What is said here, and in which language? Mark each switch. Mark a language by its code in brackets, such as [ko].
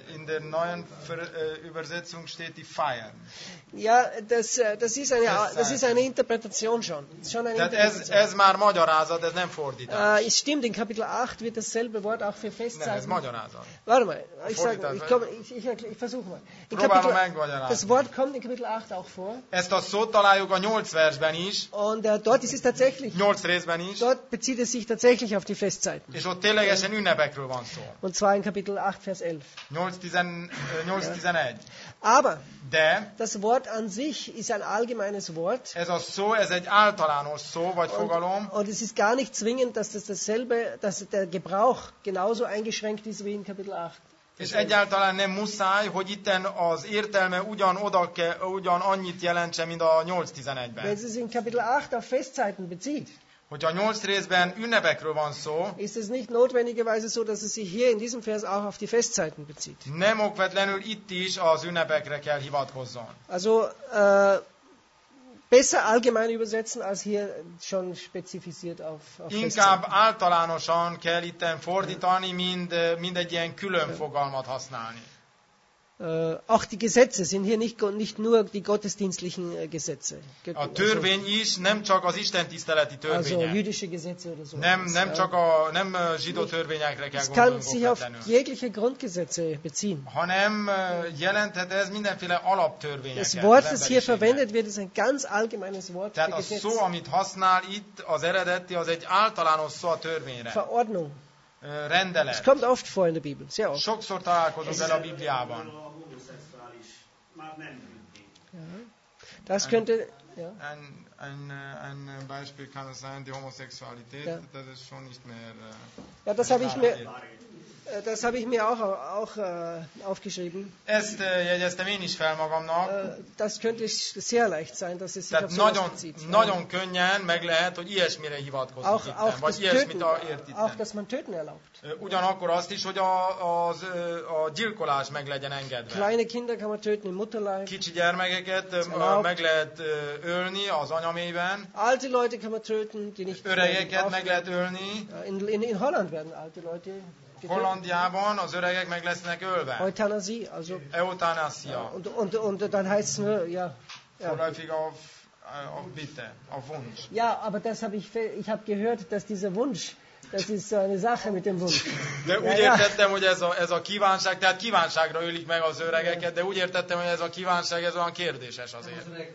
[de] in der neuen Übersetzung steht die Feiern. Ja, das ist eine Interpretation schon. [hu] Ez már magyarázat, ez nem fordítás. [de] Es stimmt, in Kapitel 8 wird dasselbe Wort auch für Festzeiten. [hu] Nem, ez magyarázat. [de] Warte mal, ich versuche mal. [hu] Próbálom megmagyarázni. [de] Das Wort kommt in Kapitel 8 auch vor. [hu] Ezt a szót találjuk a 8 versben is. [de] Und dort ist es tatsächlich. [hu] 8 részben is. [de] Dort bezieht es sich tatsächlich auf die Festzeiten. [hu] És ott ténylegesen ünnepekről van szó. [de] Und zwar in Kapitel 8, Vers 11. 8, 11. Aber [hu] de, [de] das Wort an sich ist ein allgemeines Wort. [hu] Ez a szó, ez egy általános szó, vagy fogalom. [de] Und es ist gar nicht zwingend, dass der Gebrauch genauso eingeschränkt ist wie in Kapitel 8. [hu] És egyáltalán nem muszáj, hogy itten az értelme ugyan annyit jelentse, mint a 8-11-ben. [de] Wenn es in Kapitel 8 auf Festzeiten bezieht, [hu] hogyha nyolc részben ünnepekről van szó, [de] ist es nicht notwendigerweise so, dass es sich hier in diesem Vers auch auf die Festzeiten bezieht. [hu] Nem okvetlenül itt is az ünnepekre kell hivatkozzon. [de] Also besser allgemein übersetzen, als hier schon spezifiziert auf Festzeiten. [hu] Inkább általánosan kell itten fordítani, mind egy ilyen külön fogalmat használni. [de] Auch die Gesetze sind hier nicht nur die gottesdienstlichen Gesetze. [hu] A törvény is nem csak az istentiszteleti törvények. [de] Also jüdische Gesetze oder so. [hu] Nem zsidó törvényekre kell gondolni. [de] Es kann sich auf jegliche Grundgesetze beziehen. [hu] Hanem jelenthet ez mindenféle alaptörvényeket. [de] Das Wort, das hier verwendet wird, ist ein ganz allgemeines Wort. [hu] Tehát a szó, amit használ itt, az eredeti, az egy általános szó a törvényre. [de] Verordnung. [hu] Rendelet. [de] Es kommt oft vor in der Bibel, sehr oft. [hu] Sokszor találkozunk vele a Bibliában. [de] Das könnte, ja. Ein Beispiel kann es sein, die Homosexualität, ja. Das ist schon nicht mehr. Ja, das habe ich mir auch aufgeschrieben. [hu] Ezt jegyeztem én is fel magamnak. [de] Das könnte sehr leicht sein, dass es sich [hu] auf nagyon, bezieht, nagyon könnyen meg lehet, hogy ilyesmire hivatkozik [de] auch, [hu] itten, auch vagy ilyesmit ért itten. [de] Auch, dass man töten erlaubt. [hu] Ugyanakkor azt is, hogy a gyilkolás meg legyen engedve. [de] Kleine Kinder kann man töten im Mutterleib. [hu] Kicsi gyermekeket meg lehet ölni az anyamében. [de] Alte Leute kann man töten, die nicht [hu] öregeket meg lehet ölni. [de] In Holland werden alte Leute. [hu] Hollandiában az öregek meg lesznek ölve. [de] Eutanasie, also. [hu] Eutanasia. [de] Und dann heißt es nur, ja. Vorläufig auf Bitte, auf Wunsch. Ja, aber das habe ich habe gehört, dass dieser Wunsch, das ist so eine Sache mit dem Wunsch. [hu] De úgy értettem, hogy ez a kívánság, tehát kívánságra ölik meg az öregeket, de úgy értettem, hogy ez a kívánság, ez olyan kérdéses azért.